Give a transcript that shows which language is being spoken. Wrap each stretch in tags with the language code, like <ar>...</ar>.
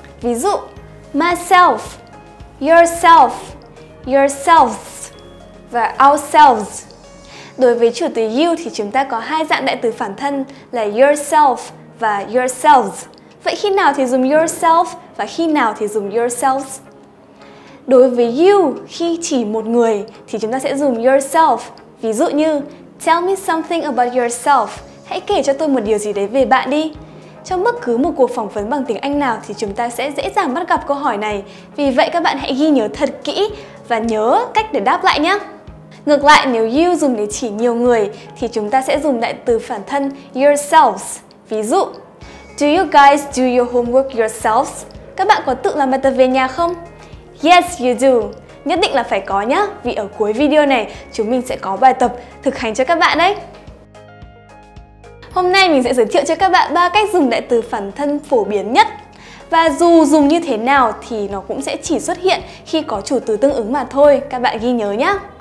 <vi>Ví dụ myself, yourself, yourselves và ourselves. Đối với chủ từ you thì chúng ta có hai dạng đại từ phản thân là yourself và yourselves. Vậy khi nào thì dùng yourself và khi nào thì dùng yourselves? Đối với you khi chỉ một người thì chúng ta sẽ dùng yourself. Ví dụ như</vi> <en>tell me something about yourself.</en> <vi>Hãy kể cho tôi một điều gì đấy về bạn đi. Trong bất cứ một cuộc phỏng vấn bằng tiếng Anh nào thì chúng ta sẽ dễ dàng bắt gặp câu hỏi này. Vì vậy các bạn hãy ghi nhớ thật kỹ và nhớ cách để đáp lại nhé. Ngược lại, nếu you dùng để chỉ nhiều người thì chúng ta sẽ dùng đại từ phản thân yourselves. Ví dụ,</vi> <en>do you guys do your homework yourselves?</en> <vi>Các bạn có tự làm bài tập về nhà không?</vi> <en>Yes, you do.</en> <vi>Nhất định là phải có nhé, vì ở cuối video này chúng mình sẽ có bài tập thực hành cho các bạn đấy. Hôm nay mình sẽ giới thiệu cho các bạn 3 cách dùng đại từ phản thân phổ biến nhất. Và dù dùng như thế nào thì nó cũng sẽ chỉ xuất hiện khi có chủ từ tương ứng mà thôi, các bạn ghi nhớ nhé.</vi>